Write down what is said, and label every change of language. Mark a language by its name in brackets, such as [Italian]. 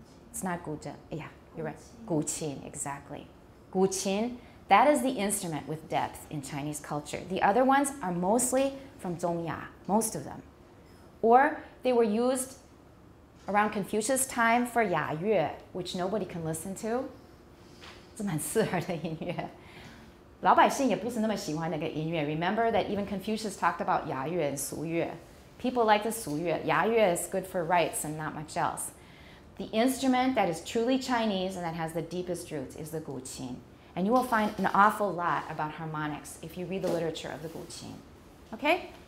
[English] It's not 古筝.Yeah, you're right. 古琴, exactly. 古琴. That is the instrument with depth in Chinese culture. The other ones are mostly from Zhongya, most of them. Or they were used around Confucius' time for Ya Yue, which nobody can listen to. [Chinese] 这蛮刺耳的音乐。老百姓也不是那么喜欢那个音乐。 [English] Remember that even Confucius talked about Ya Yue and Su Yue. People like the Su Yue. Ya Yue is good for rites and not much else. The instrument that is truly Chinese and that has the deepest roots is the Guqin. And you will find an awful lot about harmonics if you read the literature of the Guqin. Okay?